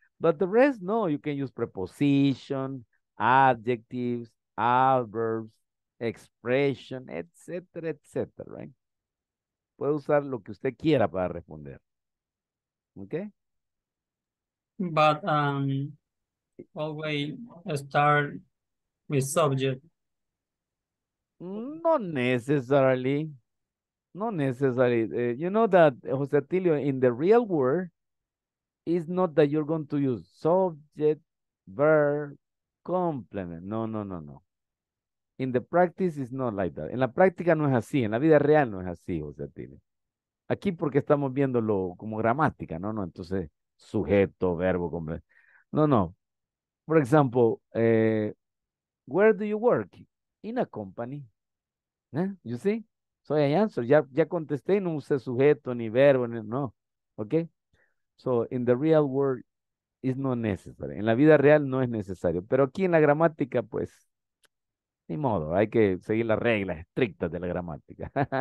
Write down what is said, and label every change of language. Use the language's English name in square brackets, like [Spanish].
[English] But the rest, no, you can use preposition, adjectives, adverbs, expression, etc., etc., right? [Spanish] Puede usar lo que usted quiera para responder. [English] Okay? But always start with subject. Not necessarily. You know that, Jose Atilio, in the real world, it's not that you're going to use subject, verb, complement. No. In the practice, it's not like that. [Spanish] En la práctica no es así. En la vida real no es así, José Tine. Aquí porque estamos viéndolo como gramática, ¿no? Entonces, sujeto, verbo, complemento. No. [English] For example, where do you work? In a company. You see? So I answer. [Spanish] Ya contesté, no usé sujeto, ni verbo, ni, no. Okay? [English] So in the real world, it's not necessary. [Spanish] En la vida real no es necesario. Pero aquí en la gramática, pues, ni modo. Hay que seguir las reglas estrictas de la gramática.